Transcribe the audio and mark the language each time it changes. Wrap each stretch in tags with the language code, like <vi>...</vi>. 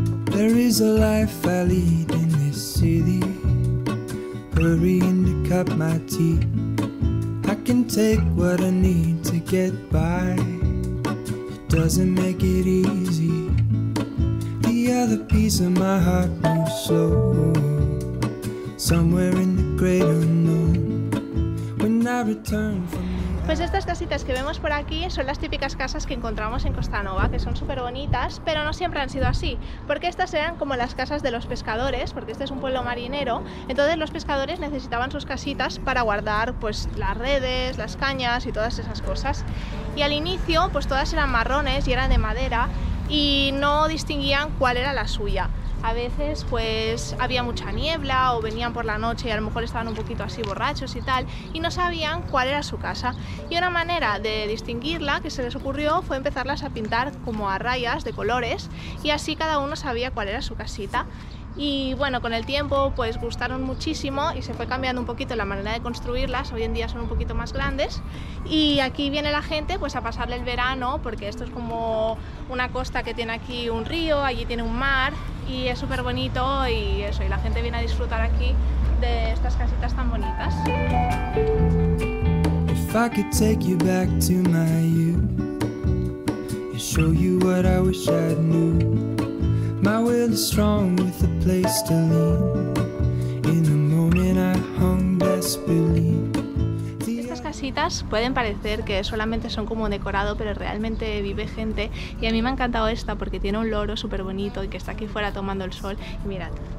<en>There is a life I lead in this city, hurrying to cut my teeth. I can take what I need to get by. Doesn't make it easy. The other piece of my heart moves slow, somewhere in the great unknown. When I return from the...</en> <es>Pues estas casitas que vemos por aquí son las típicas casas que encontramos en Costanova, que son súper bonitas, pero no siempre han sido así, porque estas eran como las casas de los pescadores, porque este es un pueblo marinero. Entonces los pescadores necesitaban sus casitas para guardar pues las redes, las cañas y todas esas cosas. Y al inicio pues todas eran marrones y eran de madera y no distinguían cuál era la suya. A veces pues había mucha niebla o venían por la noche y a lo mejor estaban un poquito así borrachos y tal, y no sabían cuál era su casa. Y una manera de distinguirla que se les ocurrió fue empezarlas a pintar como a rayas de colores, y así cada uno sabía cuál era su casita. Y bueno, con el tiempo pues gustaron muchísimo y se fue cambiando un poquito la manera de construirlas. Hoy en día son un poquito más grandes y aquí viene la gente pues a pasarle el verano, porque esto es como una costa que tiene aquí un río, allí tiene un mar y es súper bonito, y eso, y la gente viene a disfrutar aquí de estas casitas tan bonitas.</es> <en>If I could take you back to my youth and show you what I wish I knew. My will is strong with a place to lean. In the moment I hung disbelief.</en> <es>Casitas pueden parecer que solamente son como un decorado, pero realmente vive gente, y a mí me ha encantado esta porque tiene un loro súper bonito y que está aquí fuera tomando el sol, y mirad.</es>